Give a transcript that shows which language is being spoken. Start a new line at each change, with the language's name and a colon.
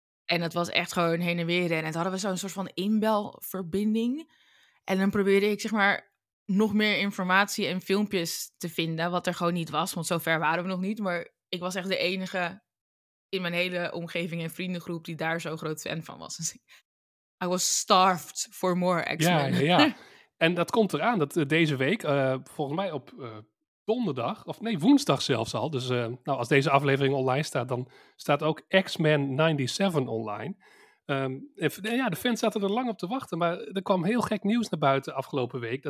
Dutch: En dat was echt gewoon heen en weer rennen. En dan hadden we zo'n soort van inbelverbinding. En dan probeerde ik, zeg maar, nog meer informatie en filmpjes te vinden, wat er gewoon niet was, want zo ver waren we nog niet. Maar ik was echt de enige in mijn hele omgeving en vriendengroep die daar zo groot fan van was.
English: Dus I was starved for more X-Men.
Dutch: Ja, ja, ja. En dat komt eraan dat deze week, volgens mij op donderdag, of nee, woensdag zelfs al. Dus nou, als deze aflevering online staat, dan staat ook X-Men 97 online. En de fans zaten er lang op te wachten, maar er kwam heel gek nieuws naar buiten afgelopen week.